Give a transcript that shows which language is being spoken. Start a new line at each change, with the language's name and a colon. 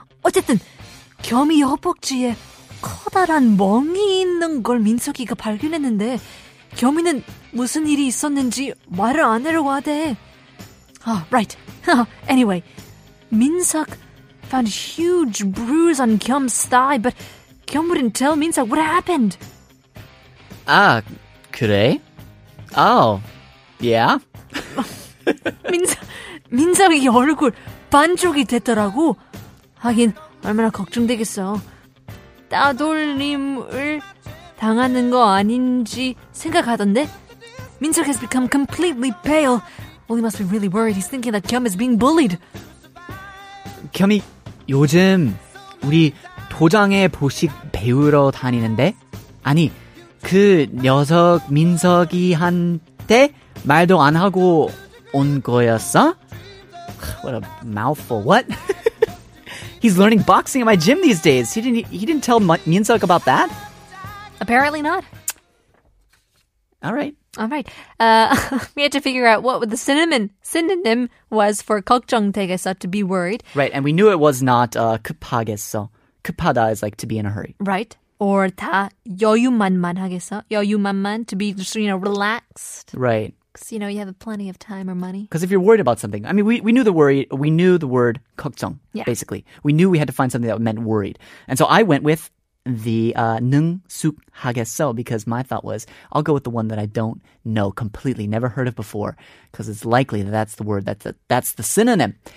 Korean: 어쨌든 겸이 허벅지에 커다란 멍이 있는 걸 민석이가 발견했는데 겸이는 무슨 일이 있었는지 말을 안 하려고 하대.
English: Oh, right. Anyway, 민석 found a huge bruise on 겸's thigh, but 겸 wouldn't tell 민석 what happened.
Korean: 아, 그래?
English: Oh, yeah.
Korean: 민석이 얼굴 반쪽이 됐더라고. 하긴 얼마나 걱정되겠어. 따돌림을 당하는 거 아닌지 생각하던데.
English: Minseok has become completely pale. Well, he must be really worried. He's thinking that Kyum is being bullied.
Korean: Kyum이 요즘 우리 도장의 보식 배우러 다니는데? 아니, 그 녀석 민석이한테 말도 안 하고 온 거였어?
English: What a mouthful. What? He's learning boxing at my gym these days. He didn't tell Minseok about that? Apparently not. All right. We had to figure out what the synonym was for 걱정되겠어, to be worried. Right, and we knew it was not 급하겠어. 급하다 is like to be in a hurry. Right. Or 다 여유만만 하겠어. 여유만만, to be just, you know, relaxed. Right. Because, you know, you have plenty of time or money. Because if you're worried about something, I mean, we knew the worry, we knew the word 걱정, yeah. Basically. We knew we had to find something that meant worried. And so I went with the 능숙 하겠어, because my thought was, I'll go with the one that I don't know completely, never heard of before, because it's likely that that's the word, that's the synonym.